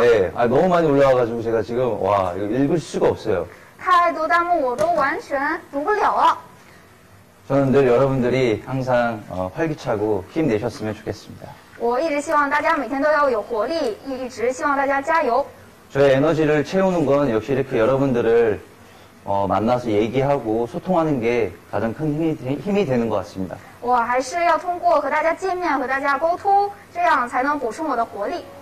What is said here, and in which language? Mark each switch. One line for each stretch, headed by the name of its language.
Korean: 예, 아, 너무 많이 올라와가지고 제가 지금 와 이거 읽을 수가 없어요.
Chinese: 太多弹幕我都完全读不了啊。
Korean: 저는 늘 여러분들이 항상 활기차고 힘내셨으면 좋겠습니다.
Chinese: 我一直希望大家每天都要有活力，一直希望大家加油。
Korean: 저의 에너지를 채우는 건 역시 이렇게 여러분들을 만나서 얘기하고 소통하는 게 가장 큰 힘이 되는 것 같습니다.
Chinese: 我还是要通过和大家见面，和大家沟通，这样才能补充我的活力。